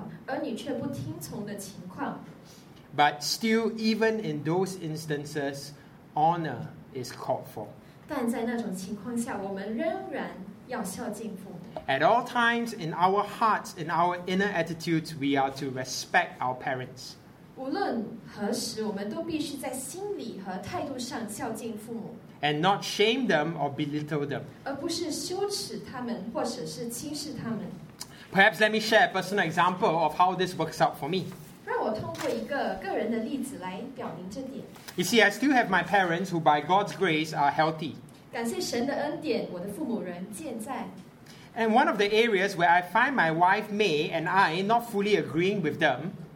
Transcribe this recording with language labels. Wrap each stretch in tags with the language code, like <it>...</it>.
<zh>你或许会碰到和父母意见不合，而你却不听从的情况。</zh> <en>But still, even in those instances, honor is called for.</en> <zh>但在那种情况下，我们仍然要孝敬父母。</zh> <en>At all times, in our hearts, in our inner attitudes, we are to respect our parents.</en> <zh>无论何时，我们都必须在心里和态度上孝敬父母。</zh> <en>And not shame them or belittle them.</en> <zh>而不是羞耻他们，或者是轻视他们。</zh> <en>Perhaps let me share a personal example of how this works out for me.</en> <zh>让我通过一个个人的例子来表明这点。</zh> <en>You see, I still have my parents who by God's grace are healthy.</en> <zh>感谢神的恩典，我的父母仍健在。</zh> <en>And one of the areas where I find my wife May and I not fully agreeing with them,</en>